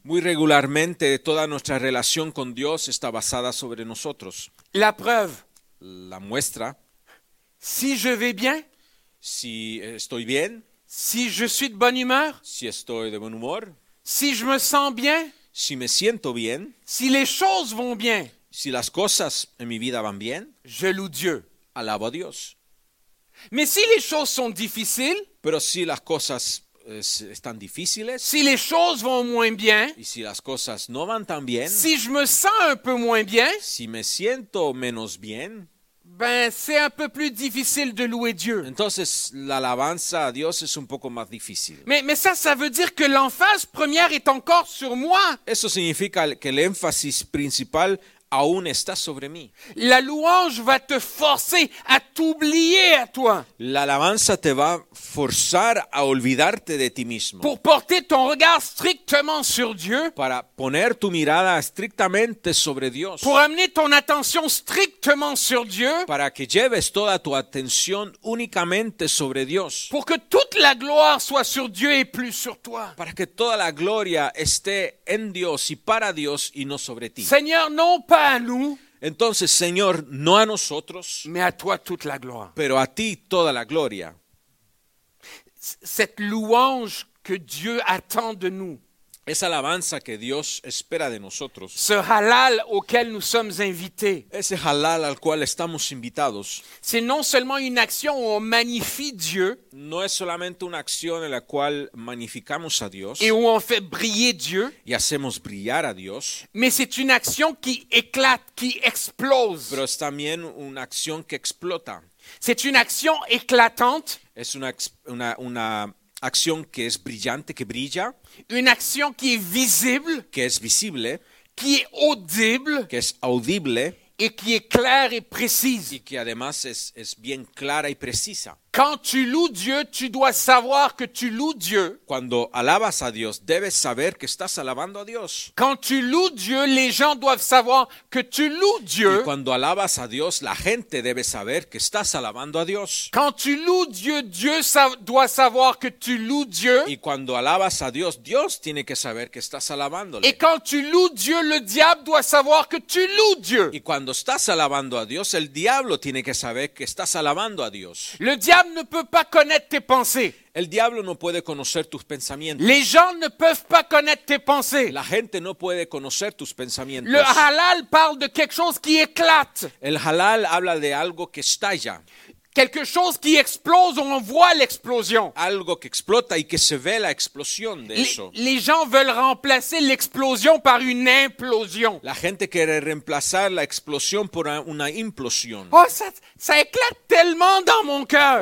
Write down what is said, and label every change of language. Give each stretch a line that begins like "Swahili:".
Spanish: Muy regularmente toda nuestra relación con Dios está basada sobre nosotros.
French: La preuve.
Spanish: La muestra.
French: Si je vais bien.
Spanish: Si estoy bien.
French: Si je suis de bonne humeur.
Spanish: Si estoy de buen humor.
French: Si je me sens bien.
Spanish: Si me siento bien.
French: Si les choses vont bien.
Spanish: Si las cosas en mi vida van bien.
French: Je loue Dieu.
Spanish: Alabo a Dios.
French: Mais si les choses sont difficiles.
Spanish: Pero si las cosas están difíciles.
French: Si les choses vont moins bien.
Spanish: Y si las cosas no van tan bien.
French: Si je me sens un peu moins bien.
Spanish: Si me siento menos bien.
French: Ben, c'est un peu plus difficile de louer Dieu.
Spanish: Entonces, la alabanza a Dios es un poco más difícil.
French: Mais ça veut dire que l'emphase première est encore sur moi.
Spanish: Eso significa que el énfasis principal aún está sobre mí.
French: La louange va te forcer à t'oublier à toi.
Spanish: La alabanza te va forzar a olvidarte de ti mismo.
French: Pour porter ton regard strictement sur Dieu.
Spanish: Para poner tu mirada estrictamente sobre Dios.
French: Pour amener ton attention strictement sur Dieu.
Spanish: Para que lleves toda tu atención únicamente sobre Dios.
French: Pour que toute la gloire soit sur Dieu et plus sur toi.
Spanish: Para que toda la gloria esté en Dios y para Dios y no sobre ti.
French: Señor, no pas à nous.
Spanish: Entonces, Señor, no a nosotros.
French: Mais à toi toute la gloire.
Spanish: Pero a ti toda la gloria.
French: Cette louange que Dieu attend de nous.
Spanish: Esa alabanza que Dios espera de nosotros.
French: Ce halal auquel nous sommes invités.
Spanish: Ese halal al cual estamos invitados.
French: C'est non seulement une action où on magnifie Dieu.
Spanish: No es solamente una acción en la cual magnificamos a Dios.
French: Et où on fait briller Dieu.
Spanish: Y hacemos brillar a Dios.
French: Mais c'est une action qui éclate, qui explose.
Spanish: Pero es también una acción que explota.
French: C'est une action éclatante.
Spanish: Es una acción que es brillante, que brilla.
French: Une action qui est visible,
Spanish: que es visible,
French: qui est audible,
Spanish: que es audible,
French: et qui est claire et précise.
Spanish: Y que además es bien clara y precisa.
French: Quand tu loues Dieu, tu dois savoir que tu loues Dieu.
Spanish: Cuando alabas a Dios, debes saber que estás alabando a Dios.
French: Quand tu loues Dieu, les gens doivent savoir que tu loues Dieu.
Spanish: Y cuando alabas a Dios, la gente debe saber que estás alabando a Dios.
French: Quand tu loues Dieu, Dieu doit savoir que tu loues Dieu.
Spanish: Y cuando alabas a Dios, Dios tiene que saber que estás alabándole.
French: Et quand tu loues Dieu, le diable doit savoir que tu loues Dieu.
Spanish: Y cuando estás alabando a Dios, el diablo tiene que saber que estás alabando a Dios.
French: Le diable ne peut pas connaître tes pensées.
Spanish: El diablo no puede conocer tus pensamientos.
French: Les gens ne peuvent pas connaître tes pensées.
Spanish: La gente no puede conocer tus pensamientos.
French: Le halal parle de quelque chose qui éclate.
Spanish: El halal habla de algo que estalla.
French: Quelque chose qui explose, on voit l'explosion.
Spanish: Algo que explota y que se ve la explosión de eso.
French: Les gens veulent remplacer l'explosion par une implosion.
Spanish: La gente quiere reemplazar la explosión por una implosión.
French: Oh, ça éclate tellement dans mon cœur.